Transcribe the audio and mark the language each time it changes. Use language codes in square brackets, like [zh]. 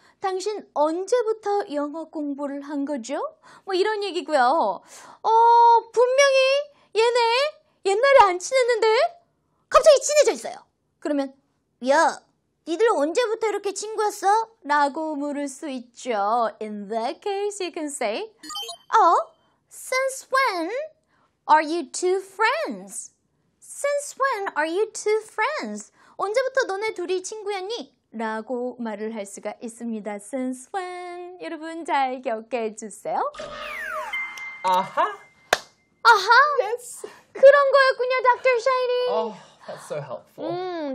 [ko] 당신 언제부터 영어 공부를 한 거죠? 뭐 이런 얘기고요. 분명히 얘네 옛날에 안 친했는데 갑자기 친해져 있어요. 그러면 야, 니들 언제부터 이렇게 친구였어? 라고 물을 수 있죠. [en] In that case, you can say, Oh, since when are you two friends? Since when are you two friends? [ko] 언제부터 너네 둘이 친구였니? 라고 말을 할 수가 있습니다. [en] Since when? [ko] 여러분 잘 기억해 주세요. 아하! 아하! [en] Yes! [ko] 그런 거였군요, Dr. Shiny! [en] That's so helpful.